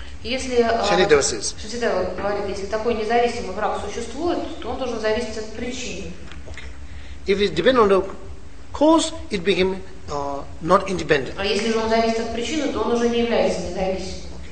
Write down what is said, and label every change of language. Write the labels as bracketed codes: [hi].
[ru] Если Шанидева говорит, если такой независимый враг существует, то он должен зависеть от причины. [en] Okay. If it depends on the cause, it became not independent. [ru] А если же он зависит от причины, то он уже не является независимым.